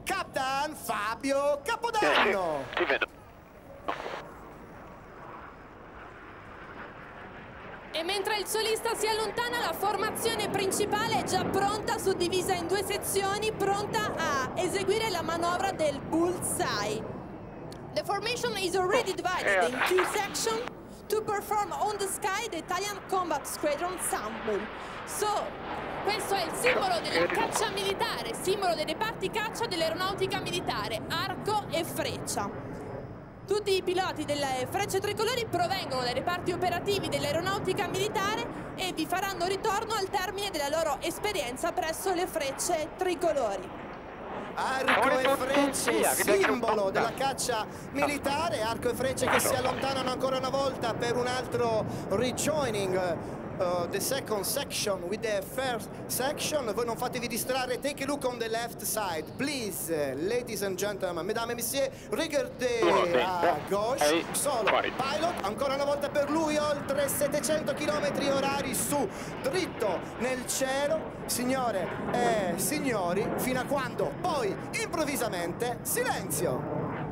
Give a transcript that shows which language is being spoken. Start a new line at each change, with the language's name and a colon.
English: Captain Fabio Capodanno!
Italian: Ti vedo. E mentre il solista si allontana, la formazione principale è già pronta, suddivisa in due sezioni, pronta a eseguire la manovra del bullseye.
English: The formation is already divided in two sections to perform on the sky the Italian Combat Squadron Sambul.
Italian: So, questo è il simbolo della caccia militare, simbolo dei reparti caccia dell'aeronautica militare, arco e freccia. Tutti i piloti delle frecce tricolori provengono dai reparti operativi dell'aeronautica militare e vi faranno ritorno al termine della loro esperienza presso le frecce tricolori. Arco e frecce, simbolo della caccia militare, arco e frecce che si allontanano ancora una volta per un altro rejoining.
English: The second section with the first section.
Italian: Voi non fatevi distrarre.
English: Take a look on the left side, please. Ladies and gentlemen,
French: mesdames et messieurs, regardez a gauche.
Italian: Solo pilot, ancora una volta per lui, oltre 700 km orari su, dritto nel cielo, signore e signori, fino a quando poi improvvisamente silenzio.